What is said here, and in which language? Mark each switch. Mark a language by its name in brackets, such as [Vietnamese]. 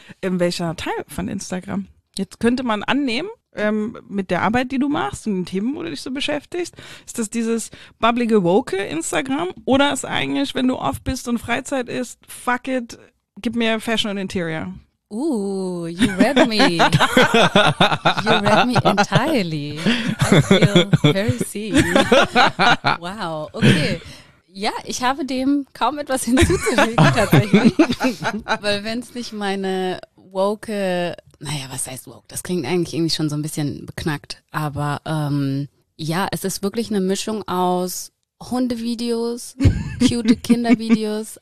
[German] In welcher Teil von Instagram? Jetzt könnte man annehmen, mit der Arbeit, die du machst und den Themen, wo du dich so beschäftigst, ist das dieses bubblige, woke Instagram oder ist eigentlich, wenn du off bist und Freizeit ist, [English] fuck it, [German] gib mir Fashion und Interior. [English] You read me. You read me entirely. I feel very seen. Wow, okay. [German] Ja, ich habe dem kaum etwas hinzuzufügen, tatsächlich. Weil wenn es nicht meine woke, naja, was heißt woke? Das klingt eigentlich irgendwie schon so ein bisschen beknackt. Aber ja, es ist wirklich eine Mischung aus Hundevideos, cute Kindervideos.